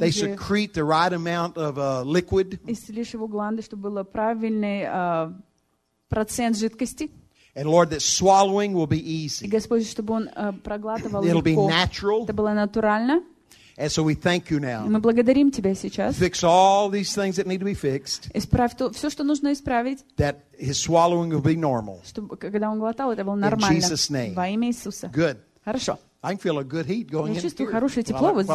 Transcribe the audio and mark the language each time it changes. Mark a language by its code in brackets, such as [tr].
[en] they secrete the right amount of liquid. [ru] Исцелишь его гланды, чтобы был правильный процент жидкости. [en] And Lord, that swallowing will be easy. [ru] И Господь, чтобы он проглатывал [en] it'll [ru] легко. [en] Be natural. [ru] Это было натурально. [en] And so we thank you now. [ru] Мы благодарим тебя сейчас. [en] Fix all these things that need to be fixed. [ru] Исправь то, все, что нужно исправить. [en] That his swallowing will be normal. [ru] Чтобы когда он глотал, это было нормально. [en] In Jesus' name. [ru] Во имя Иисуса. [en] Good. [ru] Хорошо. [en] I can feel a good heat going [ru] я чувствую [en] in [ru] хорошее тепло вот здесь.